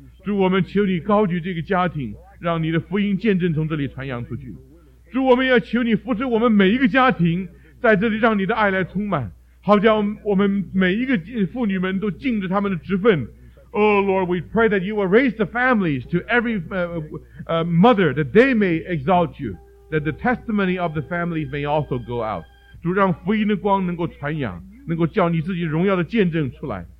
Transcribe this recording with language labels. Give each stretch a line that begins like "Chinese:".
Chinese: 主，我们求你高举这个家庭，让你的福音见证从这里传扬出去。主，我们要求你扶持我们每一个家庭，在这里让你的爱来充满，好叫我们每一个妇女们都尽着他们的职分。
English: Oh Lord, we pray that you will raise the families to every mother, that they may exalt you, that the testimony of the families may also go out.
Chinese: 主，让福音的光能够传扬，能够叫你自己荣耀的见证出来。